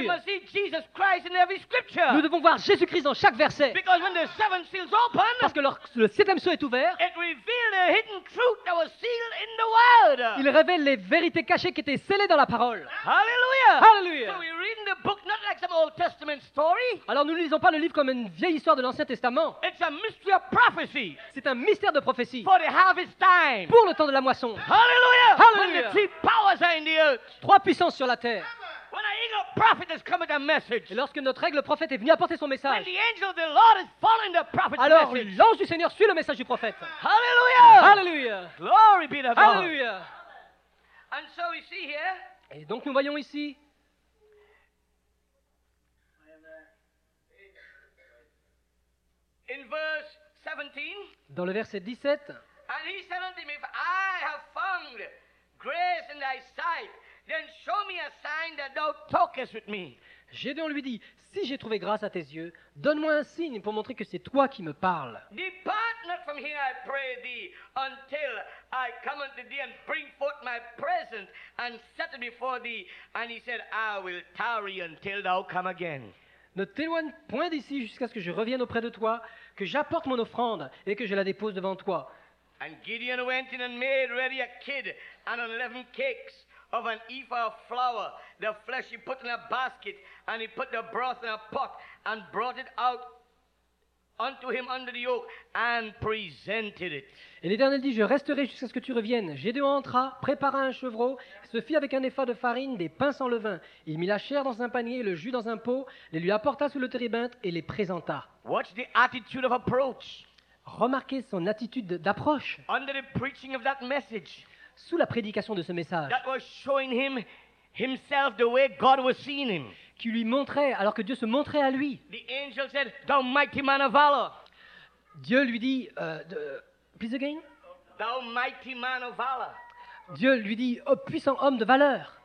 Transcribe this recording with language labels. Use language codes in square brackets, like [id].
[en] we must see Jesus Christ in every scripture. [fr] Nous devons voir Jésus-Christ dans chaque verset. [en] Because when the seven seals open, [fr] parce que lorsque le septième sceau est ouvert, [en] it revealed the hidden truth that was sealed in the word. [fr] Il révèle les vérités cachées qui étaient scellées dans la parole. [en] Hallelujah. [fr] Hallelujah. [en] So we read the book not like some Old Testament story. [fr] Alors nous ne lisons pas le livre comme une vieille histoire de l'Ancien Testament. [en] It's a mystery of prophecy. [fr] C'est un mystère de prophétie. [en] For the harvest time. [fr] Pour le temps de la moisson. [en] Hallelujah. [fr] Hallelujah. [en] When the three powers are in the earth. [fr] Trois puissances sur la terre. [en] When an eagle prophet has come with a message. [fr] Et lorsque notre aigle prophète est venu apporter son message. [en] When the angel of the Lord is following the prophet's [fr] alors, [en] message. [fr] Alors l'ange du Seigneur suit le message du prophète. [en] Hallelujah. [fr] Hallelujah. [en] Glory be to God. [fr] Hallelujah. [en] And so we see here. [fr] Et donc nous voyons ici. [en] In verse 17. [fr] Dans le verset 17. [en] And he said unto me, if I have found grace in thy sight, then show me a sign that thou talkest with me. [fr] Gédéon lui dit, si j'ai trouvé grâce à tes yeux, donne-moi un signe pour montrer que c'est toi qui me parles. [en] Depart not from here, I pray thee, until I come unto thee and bring forth my presence and set it before thee. And he said, I will tarry until thou come again. [fr] Ne t'éloigne point d'ici jusqu'à ce que je revienne auprès de toi, que j'apporte mon offrande et que je la dépose devant toi. [en] And Gideon went in and made ready a kid and 11 cakes of an ephah of flour. The flesh he put in a basket and he put the broth in a pot and brought it out unto him under the oak and presented it. [fr] Et l'Éternel dit, je resterai jusqu'à ce que tu reviennes. Gédéon entra, prépara un chevreau, se fit avec un ephah de farine des pains sans levain. Il mit la chair dans un panier, le jus dans un pot, les lui apporta sous le térébinthe et les présenta. [en] Watch the attitude of approach. [fr] Remarquez son attitude d'approche. [en] Under the preaching of that message. [fr] Sous la prédication de ce message. [en] That was showing him himself the way God was seeing him. [fr] Qui lui montrait, alors que Dieu se montrait à lui. [en] The angel said, thou mighty man of valor. [fr] Dieu lui dit, [en] please again. Thou mighty man of valor. [fr] Dieu lui dit, oh, puissant homme de valeur.